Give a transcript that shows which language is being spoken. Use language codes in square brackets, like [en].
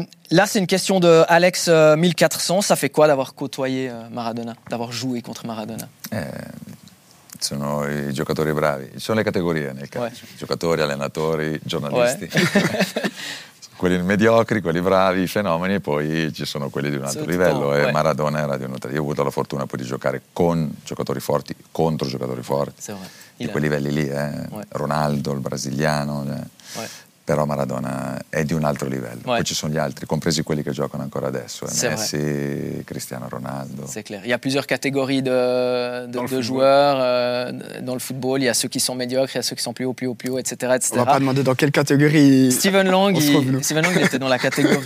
[fr] Là, c'est une question de Alex 1400. Ça fait quoi d'avoir côtoyé Maradona, d'avoir joué contre Maradona? [it] Sono i giocatori bravi. Ci sono le categorie nel calcio. Giocatori, allenatori, giornalisti. Quelli mediocri, quelli bravi, i fenomeni, e poi ci sono quelli di un altro livello. E Maradona era di un altro. Io ho avuto la fortuna poi di giocare con giocatori forti, contro giocatori forti, di quei livelli lì, Ronaldo, il brasiliano. Però Maradona è di un altro livello. Poi ci sono gli altri, compresi quelli che giocano ancora adesso. Messi, Cristiano Ronaldo. [fr] C'est clair. Il y a plusieurs catégories de joueurs dans le football. Il y a ceux qui sont médiocres, il y a ceux qui sont plus haut, etc. etc. On va pas demander dans quelle catégorie. Steven Lang, il était dans la catégorie.